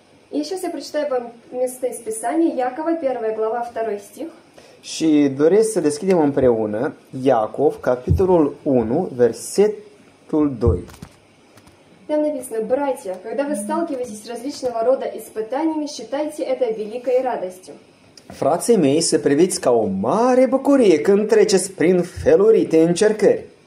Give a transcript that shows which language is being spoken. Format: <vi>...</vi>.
<ru>Еще я прочитаю вам место из Писания, Якова, 1 глава, 2 стих.</ru> <ro>Și doresc să deschidem împreună Iacov, capitolul 1, versetul 2.</ro> <ru>Там написано: «Братья, когда вы сталкиваетесь с различного рода испытаниями, считайте это великой радостью».</ru> <ro>Frații mei, să priviți ca o mare bucurie când treceți prin felurite încercări.</ro>